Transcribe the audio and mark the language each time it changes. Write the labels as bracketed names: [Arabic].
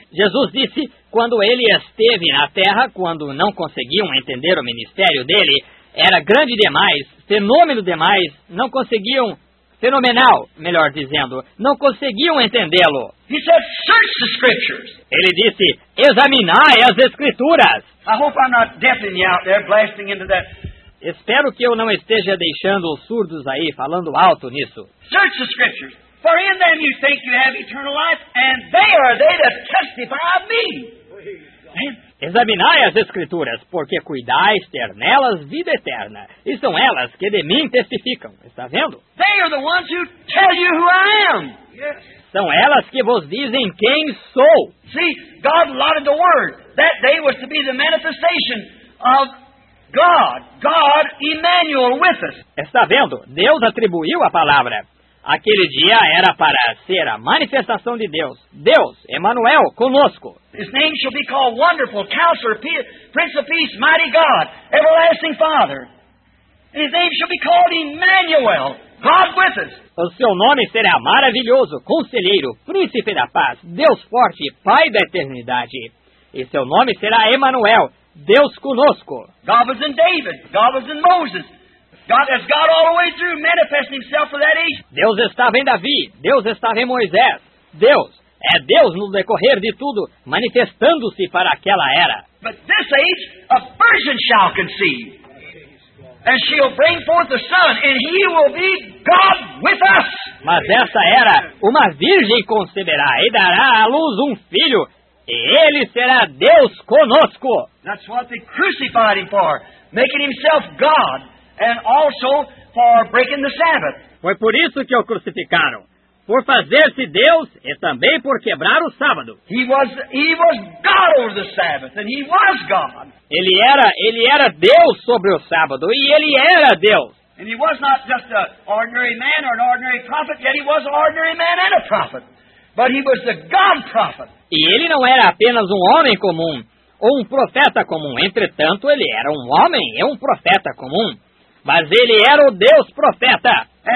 [Portuguese] Jesus disse, quando ele esteve na terra, quando não conseguiam entender o ministério dele, era grande demais, fenômeno demais, não conseguiam, fenomenal, melhor dizendo, não conseguiam entendê-lo. [English] He said, search the scriptures. [Portuguese] Ele disse, examinai as escrituras. [English] I hope I'm not deafening you out there, blasting into that. [Portuguese] Espero que eu não esteja deixando os surdos aí, falando alto nisso. [English] Search the scriptures. For in them you think you have eternal life, and they are they that testify of me. [Portuguese] Examinai as Escrituras, porque cuidais ter nelas vida eterna, e são elas que de mim testificam. Está vendo? [English] They are the ones who tell you who I am. [Portuguese] São elas que vos dizem quem sou. [English] See, God allotted the word. That day was to be the manifestation of God. God Emmanuel with us. [Portuguese] Está vendo? Deus atribuiu a palavra. Aquele dia era para ser a manifestação de Deus. Deus, Emmanuel, conosco. [English] His name shall be called Wonderful, Counselor, Prince of Peace, Mighty God, Everlasting Father. His name shall be called Emmanuel, God with us. [Portuguese] O seu nome será Maravilhoso, Conselheiro, Príncipe da Paz, Deus Forte, Pai da Eternidade. E seu nome será Emmanuel, Deus conosco. [English] God was in David, God was in Moses. God has God all the way through manifesting himself for that age. [Portuguese] Deus estava em Davi, Deus estava em Moisés. Deus é Deus no decorrer de tudo, manifestando-se para aquela era. [English] But this age a virgin shall conceive, and she'll bring forth a son, and he will be God with us. [Portuguese] Mas essa era, uma virgem conceberá e dará à luz um filho, e ele será Deus conosco. [English] That's what they crucified him for, making himself God. And also for breaking the Sabbath. [Portuguese] Foi por isso que o crucificaram, por fazer-se Deus e também por quebrar o sábado. [English] He was God over the Sabbath, and he was God. [Portuguese] Ele era Deus sobre o sábado, e ele era Deus. [English] And he was not just an ordinary man or an ordinary prophet, yet he was an ordinary man and a prophet. But he was the God prophet. [Portuguese] E ele não era apenas um homem comum ou um profeta comum. Entretanto, ele era um homem e um profeta comum. Mas ele era o Deus profeta.